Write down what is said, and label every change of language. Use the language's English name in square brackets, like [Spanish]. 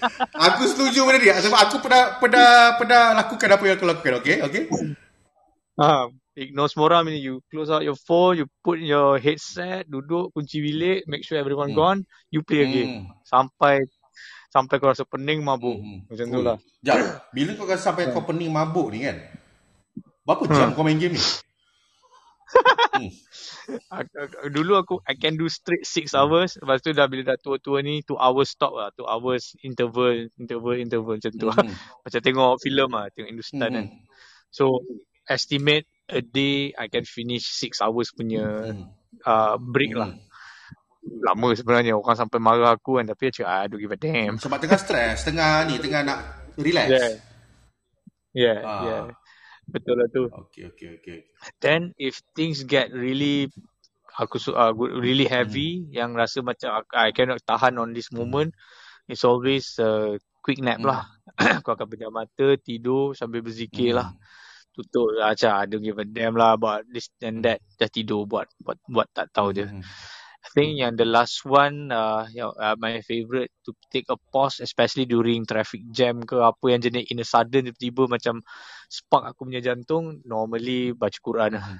[Malay] Aku setuju benda ni sebab aku pernah lakukan apa yang aku lakukan. [English] Okay. Ignore [Malay] semua orang, [English] meaning you close out your phone, you put your headset, [Malay] duduk, kunci bilik, [English] make sure everyone gone, you play again. [Malay] Sampai kau rasa pening, mabuk. Macam tu lah. Sekejap, bila kau rasa sampai kau pening, mabuk ni kan, berapa jam kau main game ni? Dulu aku, [English] I can do straight 6 hours, [Malay] lepas tu dah bila dah tua-tua ni, 2 hours stop lah, 2 hours interval macam tu lah. Macam tengok film lah, tengok Hindustan kan. So, [English] estimate a day I can finish 6 hours [Malay] punya break lah. Lama sebenarnya orang sampai marah aku kan, tapi aku cakap [English] I don't give a damn. [Malay] Sebab tengah stress, tengah ni, tengah nak relax. Betul lah tu. [English] Okay. Then if things get really really heavy, [Malay] yang rasa macam [English] I cannot tahan on this moment, it's always a quick nap lah. [Malay] Aku akan pejam mata, tidur sambil berzikir lah. Tutup macam [English] I don't give a damn lah about this and that. [Malay] Dah tidur buat tak tahu je. I think yang [English] the last one, my favourite to take a pause, especially during traffic jam [Malay] ke apa yang jenis, [English] in a sudden [Malay] tiba-tiba macam spark aku punya jantung, normally baca Quran lah.